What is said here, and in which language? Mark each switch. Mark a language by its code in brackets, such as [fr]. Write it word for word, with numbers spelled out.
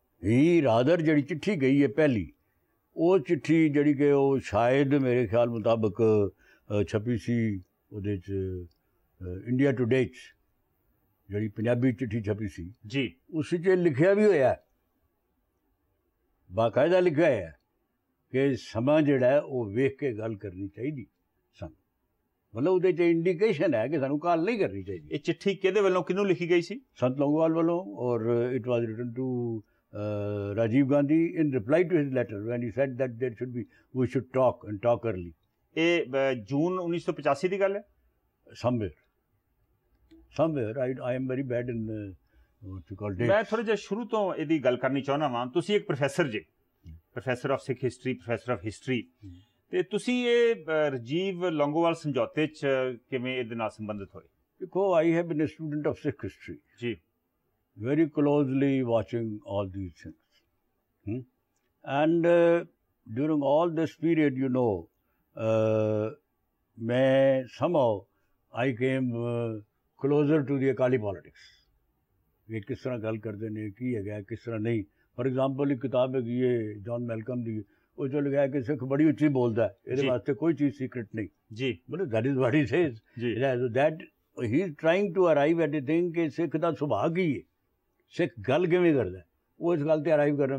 [pa] ਇਹ ਰਾਦਰ ਜਿਹੜੀ ਚਿੱਠੀ ਗਈ ਹੈ ਪਹਿਲੀ, ਉਹ ਚਿੱਠੀ ਜਿਹੜੀ ਕਿ ਉਹ ਸ਼ਾਇਦ ਮੇਰੇ ਖਿਆਲ ਮੁਤਾਬਕ ਛਪੀ ਸੀ ਉਹਦੇ 'ਚ ਇੰਡੀਆ ਟੂਡੇ 'ਚ ਜਿਹੜੀ ਪੰਜਾਬੀ ਚਿੱਠੀ ਛਪੀ ਸੀ ਜੀ, ਉਸ 'ਚ ਲਿਖਿਆ ਵੀ ਹੋਇਆ, ਬਾਕਾਇਦਾ ਲਿਖਿਆ ਹੈ ਕਿ ਸਮਾਂ ਜਿਹੜਾ ਉਹ ਵੇਖ ਕੇ ਗੱਲ ਕਰਨੀ ਚਾਹੀਦੀ ਸਾਨੂੰ। ਮਤਲਬ ਉਹਦੇ 'ਚ ਇੰਡੀਕੇਸ਼ਨ ਹੈ ਕਿ ਸਾਨੂੰ ਕਾਲ ਨਹੀਂ ਕਰਨੀ ਚਾਹੀਦੀ। ਇਹ ਚਿੱਠੀ ਕਿਹਦੇ ਵੱਲੋਂ, ਕਿਹਨੂੰ ਲਿਖੀ ਗਈ ਸੀ? [en] Sant Longowal [pa] ਵੱਲੋਂ, ਔਰ [en] It was written to Uh, Rajiv Gandhi in reply to his letter when he said that there should be, we should talk and talk early. [pa] ਇਹ ਜੂਨ ਉੱਨੀ ਸੌ ਪਚਾਸੀ ਦੀ ਗੱਲ ਹੈ। [en] Somewhere somewhere I, I am very bad in uh, what you call dates. [pa] ਮੈਂ ਥੋੜ੍ਹਾ ਜਿਹਾ ਸ਼ੁਰੂ ਤੋਂ ਇਹਦੀ ਗੱਲ ਕਰਨੀ ਚਾਹੁੰਦਾ ਵਾਂ। ਤੁਸੀਂ ਇੱਕ ਪ੍ਰੋਫੈਸਰ ਜੇ, [en] professor of Sikh history, professor of history, [pa] ਤੇ ਤੁਸੀਂ ਇਹ ਰਾਜੀਵ ਲੌਂਗੋਵਾਲ ਸਮਝੌਤੇ 'ਚ ਕਿਵੇਂ ਇਹਦੇ ਨਾਲ ਸੰਬੰਧਿਤ ਹੋਏ? ਦੇਖੋ, [en] I have been a student of Sikh history ਜੀ, very closely watching all these things. Hmm? And uh, during all this period, you know, uh, may somehow I came uh, closer to the Akali politics, [pa] ਇਹ ਕਿਸ ਤਰ੍ਹਾਂ ਗੱਲ ਕਰਦੇ ਨੇ, ਕੀ ਹੈਗਾ ਕਿਸ ਤਰ੍ਹਾਂ ਨਹੀਂ। [en] for example [pa] ਇੱਕ ਕਿਤਾਬ ਹੈਗੀ ਹੈ ਜੌਨ ਮੈਲਕਮ ਦੀ, ਉਹ 'ਚ ਲਿਖਿਆ ਕਿ ਸਿੱਖ ਬੜੀ ਉੱਚੀ ਬੋਲਦਾ ਹੈ, ਇਹਦੇ ਜੀ। ਵਾਸਤੇ ਕੋਈ ਚੀਜ਼ ਸੀਕ੍ਰੇਟ ਨਹੀਂ। ਜੀ [en] ਮਤਲਬ that is what he says, ਜੀ that he is trying to arrive at a thing [pa] ਕਿ ਸਿੱਖ ਦਾ ਸੁਭਾਅ ਕੀ ਹੈ, ਸਿੱਖ ਗੱਲ ਕਿਵੇਂ ਕਰਦਾ, ਉਹ ਇਸ ਗੱਲ 'ਤੇ ਅਰਾਈਵ ਕਰਨਾ।